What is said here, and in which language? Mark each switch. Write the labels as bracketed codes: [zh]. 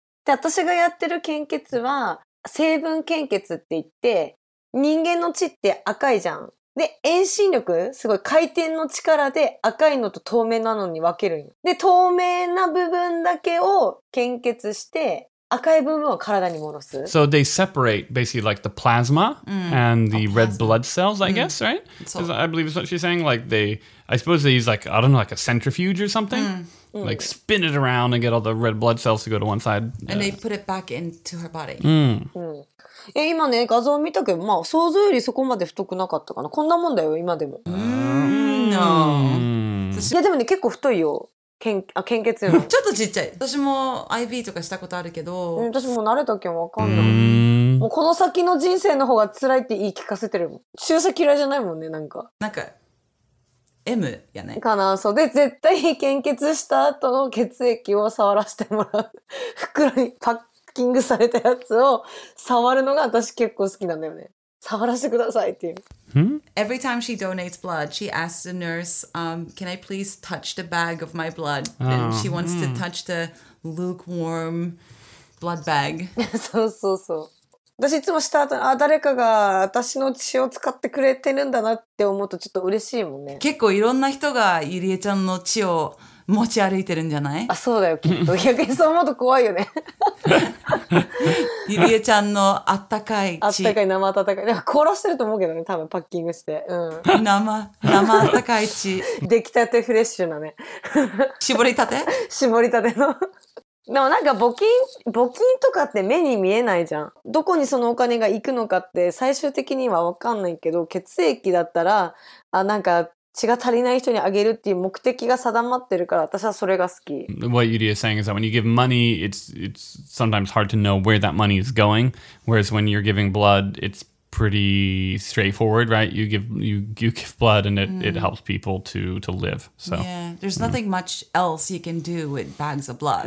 [ja] で、私がやってる献血は、成分献血って言って、人間の血って赤いじゃん。で、遠心力、すごい回転の力で赤いのと透明なのに分けるんよ。で、透明な部分だけを献血して、赤い部分を体に戻す。 [en] So they separate basically like the plasma、and the red blood cells, I guess,、right? Because I believe is what she's saying. Like they, I suppose they use like, I don't know, like a centrifuge or something.、Like spin it around and get all the red blood cells to go to one side. And、they put it back into her body.、 [ja] え、今ね、画像見たけど、まあ想像よりそこまで太くなかったかな。こんなもんだよ、今でも。 [en] No. [ja] いやでもね、結構太いよ。献血用ちょっとちっちゃい。私も IV とかしたことあるけど。私も慣れたけんわかんない。もうこの先の人生の方が辛いって言い聞かせてるもん。注射嫌いじゃないもんね、なんか。なんか、M やね。かな、そう。で、絶対献血した後の血液を触らせてもらう。袋にパッキングされたやつを触るのが私結構好きなんだよね。触らせてくださいっていう。 [en] Every time she donates blood, she asks the nurse,、can I please touch the bag of my blood?、And she wants、to touch the lukewarm blood bag. [ja] そうそうそう。私いつもした後に、あ、誰かが私の血を使ってくれてるんだなって思うとちょっと嬉しいもんね。結構いろんな人がゆりえちゃんの血を持ち歩いてるんじゃない？あ、そうだよ、きっと。逆にそう思うと怖いよね。ゆりえちゃんのあったかい血。あったかい、生あったかい。なんか凍らしてると思うけどね、多分パッキングして。生あったかい血。出来たてフレッシュなね。絞りたて？絞りたての。でもなんか募金とかって目に見えないじゃん。どこにそのお金が行くのかって最終的には分かんないけど、血液だったら、あ、なんか、血が足りない人にあげるっていう目的が定まってるから、私はそれが好き。 [en] What Yuri is saying is that when you give money, it's sometimes hard to know where that money is going. Whereas when you're giving blood, it's pretty straightforward, right? You give blood and it helps people to live. So yeah, there's nothing much else you can do with bags of blood.